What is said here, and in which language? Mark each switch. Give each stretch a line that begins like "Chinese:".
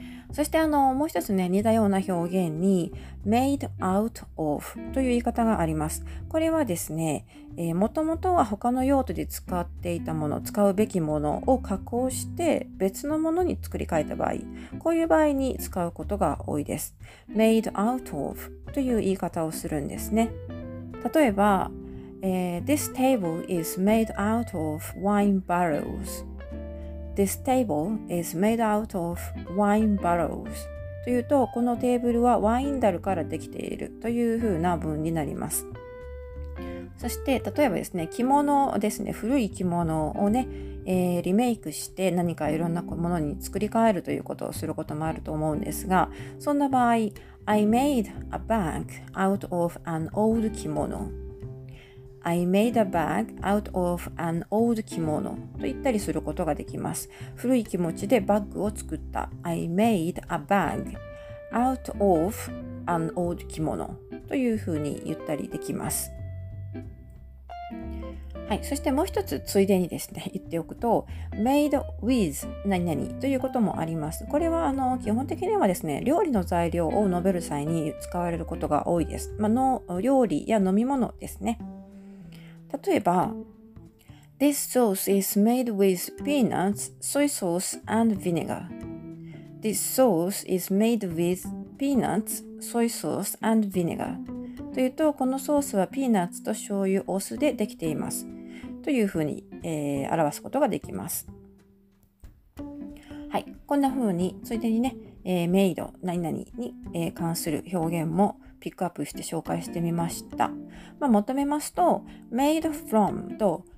Japanese: そしてもう一つね、似たような表現に made out of という言い方があります。これはですね、もともとは他の用途で使っていたもの、使うべきものを加工して別のものに作り変えた場合、こういう場合に使うことが多いです。 made out of という言い方をするんですね。
English: 例えば、This table is made out of wine barrels. This table is made out of wine barrels.
Japanese: というと、このテーブルはワイン樽からできているというふうな文になります。そして、例えばですね、着物ですね、古い着物をね、リメイクして何かいろんなものに作り変えるということをすることもあると思うんですが、そんな場合、
English: I made a bag out of an old
Japanese: 着物。
English: I made a bag out of an old 着物。
Japanese: と言ったりすることができます。古い気持ちでバッグを作った。
English: I made a bag out of an old 着物
Japanese: というふうに言ったりできます。はい、そしてもう一つついでにですね、言っておくと、made with 何々ということもあります。これは基本的にはですね、料理の材料を述べる際に使われることが多いです。料理や飲み物ですね。
English: 例えば、This sauce is made with peanuts, soy sauce, and vinegar. This sauce is made with peanuts, soy sauce, and vinegar.
Japanese: というと、このソースはピーナッツと醤油、お酢でできています。というふうに、表すことができます。はい、こんなふうについでにね、made 何々に、関する表現もピックアップして紹介してみました。まとめますと、made from と